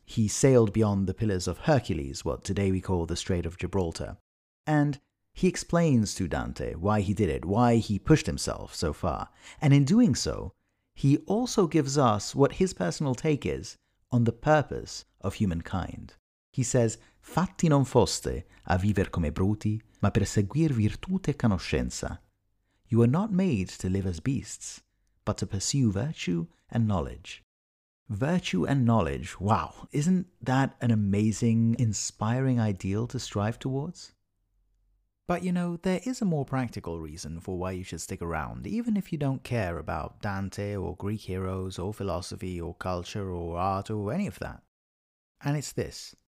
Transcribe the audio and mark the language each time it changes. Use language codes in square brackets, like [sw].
[en] He sailed beyond the Pillars of Hercules, what today we call the Strait of Gibraltar. And he explains to Dante why he did it, why he pushed himself so far. And in doing so, he also gives us what his personal take is on the purpose of humankind. He says, [it] Fatti non foste a viver come bruti, ma per seguir virtute conoscenza. [en] You are not made to live as beasts, but to pursue virtue and knowledge. Virtue and knowledge, wow, isn't that an amazing, inspiring ideal to strive towards? But you know, there is a more practical reason for why you should stick around, even if you don't care about Dante or Greek heroes or philosophy or culture or art or any of that. And it's this.